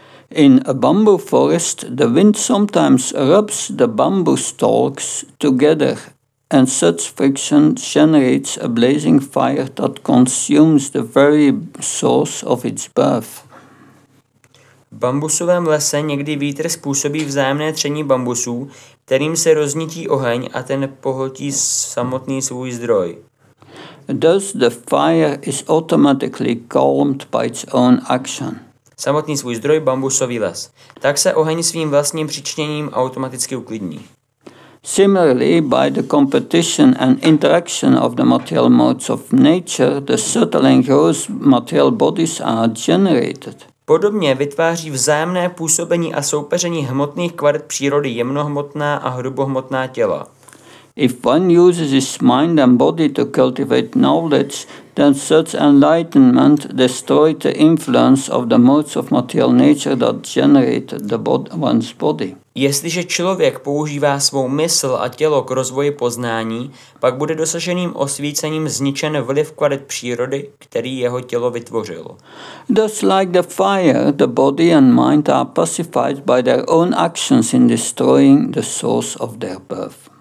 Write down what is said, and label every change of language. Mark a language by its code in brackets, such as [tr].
[en] In a bamboo forest, the wind sometimes rubs the bamboo stalks together. And such friction generates a blazing fire that consumes the very source of its birth. [cs] V bambusovém lese někdy vítr způsobí vzájemné tření bambusů, kterým se roznítí oheň a ten pohltí samotný svůj zdroj. [en] Thus the fire is automatically calmed by its own action. [cs] Samotný svůj zdroj, bambusový les. Tak se oheň svým vlastním přičněním automaticky uklidní. [en] Similarly, by the competition and interaction of the material modes of nature, the subtle and gross material bodies are generated. [cs] Podobně vytváří vzájemné působení a soupeření hmotných kvalit přírody jemnohmotná a hrubohmotná těla. [en] If one uses his mind and body to cultivate knowledge, then such enlightenment destroys the influence of the modes of material nature that generate the one's body. [cs] Jestliže člověk používá svou mysl a tělo k rozvoji poznání, pak bude dosaženým osvícením zničen vliv kvalit přírody, který jeho tělo vytvořilo. [en] Thus like the fire, the body and mind are pacified by their own actions in destroying the source of their birth.